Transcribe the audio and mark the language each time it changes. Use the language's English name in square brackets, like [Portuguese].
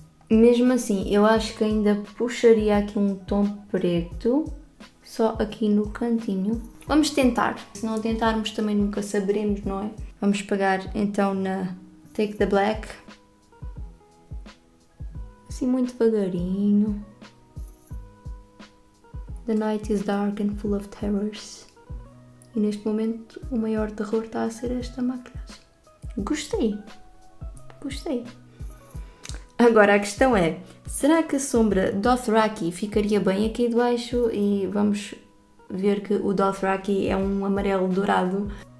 [Portuguese] Mesmo assim, eu acho que ainda puxaria aqui um tom preto, só aqui no cantinho. Vamos tentar, se não tentarmos também nunca saberemos, não é? Vamos pegar então na Take the Black. Assim muito devagarinho. [English] The night is dark and full of terrors. [Portuguese] E neste momento o maior terror está a ser esta maquiagem. Gostei. Gostei. Agora a questão é, será que a sombra Dothraki ficaria bem aqui debaixo? E vamos ver que o Dothraki é um amarelo dourado.